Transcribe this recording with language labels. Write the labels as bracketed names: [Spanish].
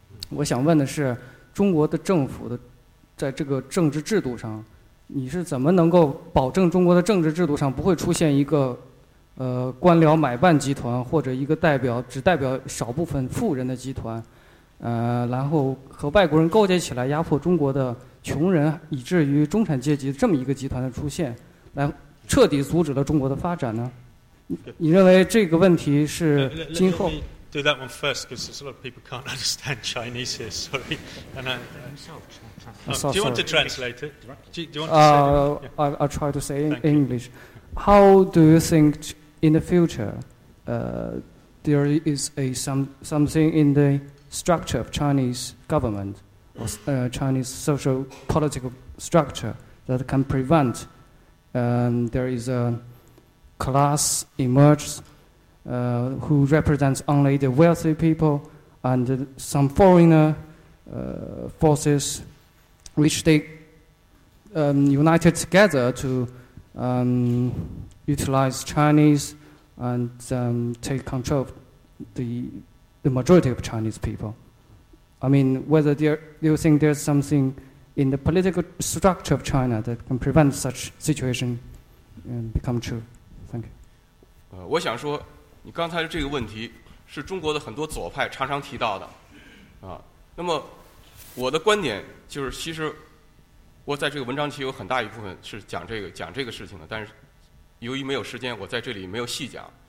[Chinese] 我想问的是，中国的政府的在这个政治制度上，你是怎么能够保证中国的政治制度上不会出现一个官僚买办集团，或者一个代表只代表少部分富人的集团，然后和外国人勾结起来压迫中国的穷人以至于中产阶级这么一个集团的出现，来彻底阻止了中国的发展呢？你认为这个问题是今后 [English] let me do that one first because there's a lot of people can't understand Chinese here, sorry. And I, do you want to translate it? I'll try to say in English. How do you think in the future there is something in the structure of Chinese government or Chinese social political structure that can preventthere is a class emerges who represents only the wealthy people and some foreigner forces which they united together to utilize Chinese and take control of the majority of Chinese people. I mean, whether you think there's something... in the political structure of China that can prevent such situation become true. Thank you. [Chinese] 我想说你刚才这个问题是中国的很多左派常常提到的那么我的观点就是其实我在这个文章其实有很大一部分是讲这个事情的，但是由于没有时间我在这里没有细讲。